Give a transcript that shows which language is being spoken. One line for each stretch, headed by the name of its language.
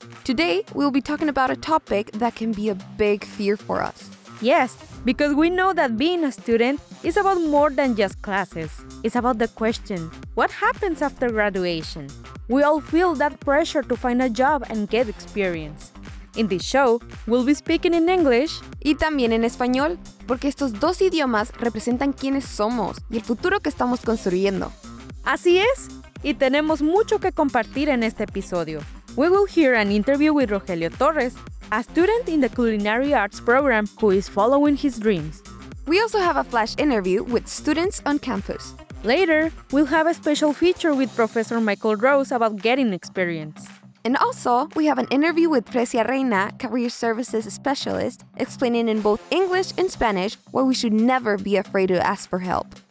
English: Today, we'll be talking about a topic that can be a big fear for us. Yes, because we know that being a student is about more than just classes. It's about the question, what happens after graduation? We all feel that pressure to find a job and get experience. In this show, we'll be speaking in English.
Spanish: Y también en español, porque estos dos idiomas representan quiénes somos y el futuro que estamos construyendo. Así es, y tenemos mucho que compartir en este episodio.
English: We will hear an interview with Rogelio Torres, a student in the Culinary Arts program who is following his dreams. We also have a flash interview with students on campus. Later, we'll have a special feature with Professor Michael Rose about getting experience. And also, we have an interview with Precia Reina, Career Services Specialist, explaining in both English and Spanish why we should never be afraid to ask for help.